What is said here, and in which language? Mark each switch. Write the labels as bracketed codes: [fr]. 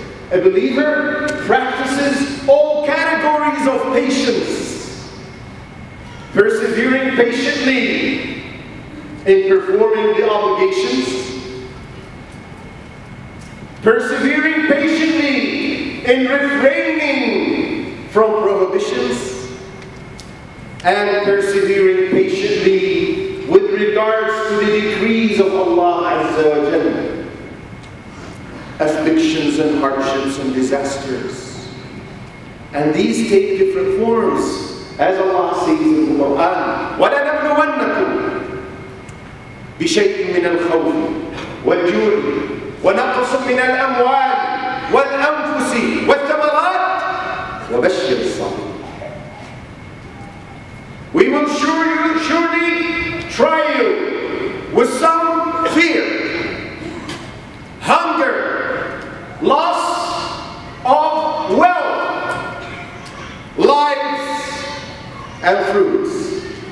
[en] A believer practices all categories of patience, persevering patiently in performing the obligations, persevering patiently in refraining from prohibitions, and persevering patiently with regards to the decrees of Allah Azza wa Jalla. Afflictions and hardships and disasters. And these take different forms, as Allah says in the Quran, [ar] وَلَنَبْلُوَنَّكُمْ بِشَيْءٍ مِنَ الْخَوْفِ وَالْجُوعِ وَنَقْصٍ مِنَ الْأَمْوَالِ وَالْأَنْفُسِ وَالثَّمَرَاتِ وَبَشِّرِ الصَّابِرِينَ. [en] We will surely try you with some fear, hunger, loss of wealth, lives, and fruits.